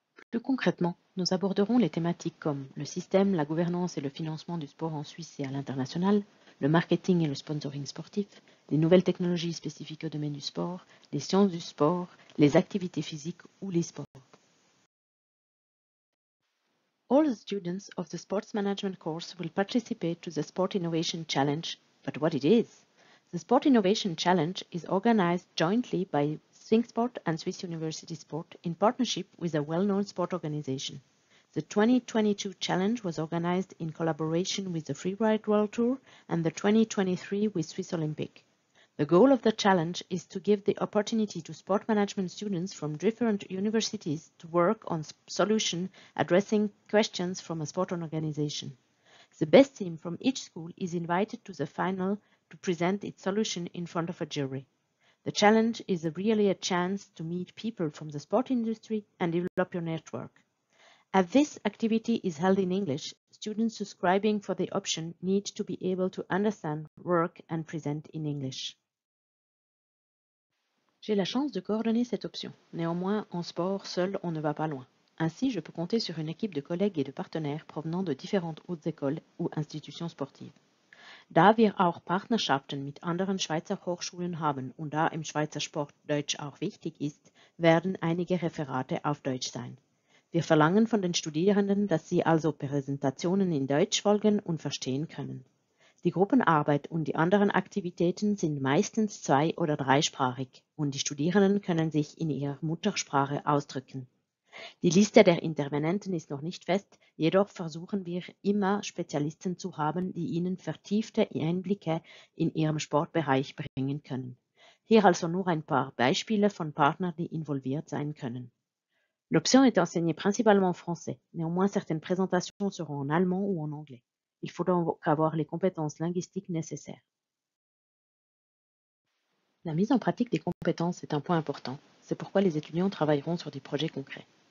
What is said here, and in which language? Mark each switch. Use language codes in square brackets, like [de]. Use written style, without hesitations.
[fr] Plus concrètement, nous aborderons les thématiques comme le système, la gouvernance et le financement du sport en Suisse et à l'international, le marketing et le sponsoring sportif, les nouvelles technologies spécifiques au domaine du sport, les sciences du sport, les activités physiques ou les sports. [en] All the students of the Sports Management course will participate to the Sport Innovation Challenge. But what it is? The Sport Innovation Challenge is organized jointly by ThinkSport and Swiss University Sport in partnership with a well-known sport organization. The 2022 challenge was organized in collaboration with the Freeride World Tour and the 2023 with Swiss Olympic. The goal of the challenge is to give the opportunity to sport management students from different universities to work on solutions addressing questions from a sport organization. The best team from each school is invited to the final to present its solution in front of a jury. The challenge is really a chance to meet people from the sport industry and develop your network. As this activity is held in English, students subscribing for the option need to be able to understand, work and present in English. [fr] J'ai la chance de coordonner cette option. Néanmoins, en sport, seul, on ne va pas loin. Ainsi, je peux compter sur une équipe de collègues et de partenaires provenant de différentes hautes écoles ou institutions sportives. [de] Da wir auch Partnerschaften mit anderen Schweizer Hochschulen haben und da im Schweizer Sport Deutsch auch wichtig ist, werden einige Referate auf Deutsch sein. Wir verlangen von den Studierenden, dass sie also Präsentationen in Deutsch folgen und verstehen können. Die Gruppenarbeit und die anderen Aktivitäten sind meistens zwei- oder dreisprachig und die Studierenden können sich in ihrer Muttersprache ausdrücken. Die Liste der Intervenenten ist noch nicht fest, jedoch versuchen wir immer Spezialisten zu haben, die ihnen vertiefte Einblicke in ihrem Sportbereich bringen können. Hier also nur ein paar Beispiele von Partnern, die involviert sein können. [fr] L'option est enseignée principalement en français, néanmoins certaines présentations seront en allemand ou en anglais. Il faut donc avoir les compétences linguistiques nécessaires. La mise en pratique des compétences est un point important. C'est pourquoi les étudiants travailleront sur des projets concrets.